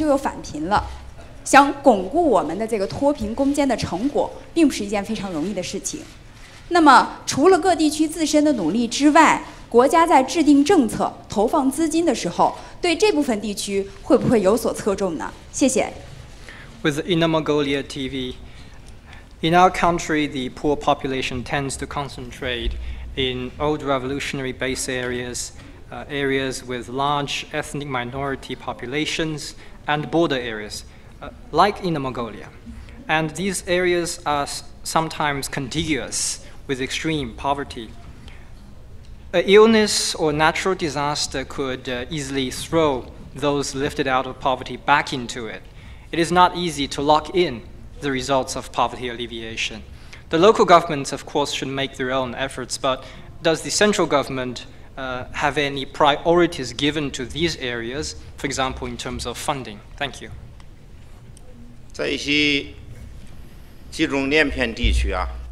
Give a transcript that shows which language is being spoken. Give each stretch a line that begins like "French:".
Chinese: 广播电视台的记者，那么在我们国家，包括内蒙古在内的老少边穷地区呢，贫困人口相对比较多，贫困的程度呢也相对比较深。这其中呢有一些是集中连片特困地区，这些地区呢现在有这样一种现象：老百姓刚刚脱贫，但是呢遇到一场自然灾害，得一场病，马上就又返贫了。想巩固我们的这个脱贫攻坚的成果，并不是一件非常容易的事情。那么除了各地区自身的努力之外，国家在制定政策投放资金的时候，对这部分地区会不会有所侧重呢？谢谢。
English: With Inner Mongolia TV, in our country, the poor population tends to concentrate in old revolutionary base areas, areas with large ethnic minority populations and border areas, like Inner Mongolia. And these areas are sometimes contiguous with extreme poverty. An illness or natural disaster could easily throw those lifted out of poverty back into it. It is not easy to lock in the results of poverty alleviation. The local governments, of course, should make their own efforts, but does the central government have any priorities given to these areas, for example, in terms of funding? Thank you.
Chinese: 在一些集中连片地区啊，